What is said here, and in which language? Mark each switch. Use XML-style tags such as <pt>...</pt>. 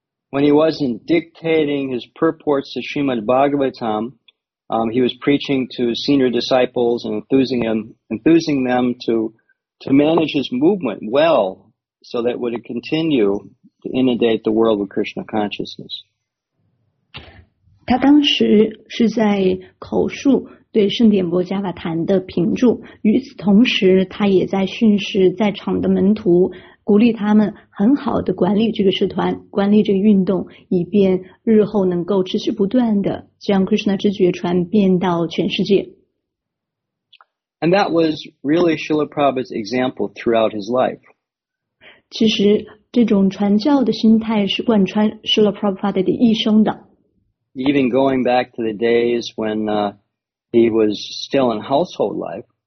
<en>When he wasn't dictating his purports to Srimad Bhagavatam, he was preaching to senior disciples and enthusing them to manage his movement well so that it would continue to inundate the world with Krishna consciousness.</en> <zh>他当时是在口述对圣典波伽瓦坛的评注，与此同时，他也在训示在场的门徒。鼓励他们很好地管理这个社团，管理这个运动，以便日后能够持续不断地将 Krishna 之觉传遍到全世界。</zh> <en>And that was really Srila Prabhupada's example throughout his life.</en> <zh>其实这种传教的心态是贯穿 Srila Prabhupada 的一生的。</zh> <en>Even going back to the days when he was still in household life,</en>